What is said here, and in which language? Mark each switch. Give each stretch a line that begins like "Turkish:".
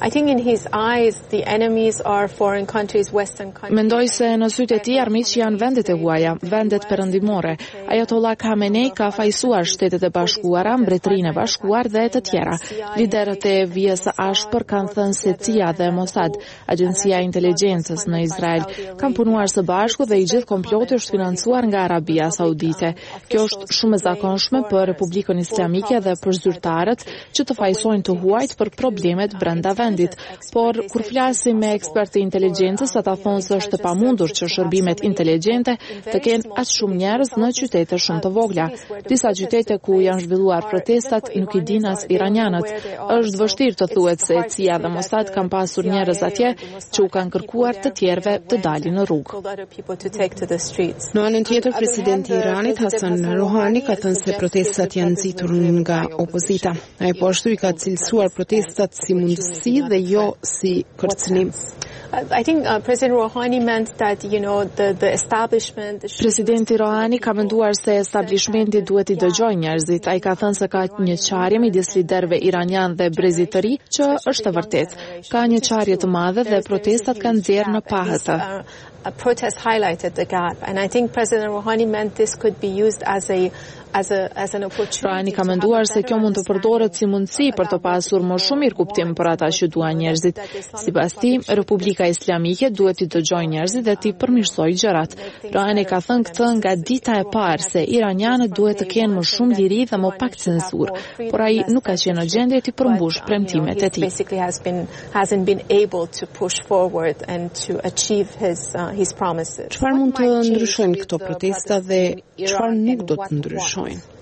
English: I think in his eyes the enemies are foreign countries, western countries.
Albanian: Mendoj se në sytë e tij armiqt janë vendet e huaja, vendet perëndimore. Ayatollah Khamenei ka fajsuar Shtetet e Bashkuara, Mbretërinë e Bashkuar dhe të tjera. Liderët e vijës së ashpër kanë thënë se CIA dhe Mossad, agjencia e inteligjencës në Izrael, kanë punuar së bashku dhe i gjithë komploti është financuar nga Arabia Saudite. Kjo është shumë e zakonshme për Republikën Islamike dhe për zyrtarët që të fajsojnë të huajt për problemet brenda vendit. Por, kur flasim me ekspertë të inteligjencës, ata thonë se është pamundur që shërbimet inteligjente të kenë aq shumë njerëz në qytete shumë të vogla. Disa qytete ku janë zhvilluar protestat nuk i dinë as iranianët. Është vështirë të thuhet se CIA dhe Mossad kanë pasur njerëz atje që u kanë kërkuar të tjerëve të dalin në rrugë. Në anën tjetër, presidenti i Iranit Hasan Rouhani ka thënë se protestat janë nxitur nga opozita. Ai po ashtu i ka cilësuar protestat si mundësi dhe jo si kërcënim.
English: I think President Rouhani meant that, you know, the establishment...
Albanian: Presidenti Rouhani ka menduar se establishmenti duhet i dëgjoj njerëzit. Ai ka thënë se ka një qarje midis liderve iranian dhe brezit të ri, që është e vërtet. Ka një qarje të madhe dhe protestat kanë nxjerrë në pahëtë.
English: A protest highlighted the gap, and I think President Rouhani meant this could be used as an opportunity.
Albanian: Rouhani ka menduar se kjo mund të përdoret si mundësi për të pasur më shumë mirë kuptim për ata që duan njerëzit. Sipas tij, Republika Islamike duhet të dëgjojë njerëzit dhe të përmirësojë gjërat. Rouhani ka thënë këtë nga dita e parë se iranianët duhet të kenë më shumë liri dhe më pak censurë, por ai nuk ka qenë në gjendje të përmbush premtimet e tij.
English: Basically hasn't been able to push forward and to achieve his promises.
Albanian: Çfarë mund të ndryshojnë këto protesta dhe çfarë nuk do të ndryshojnë?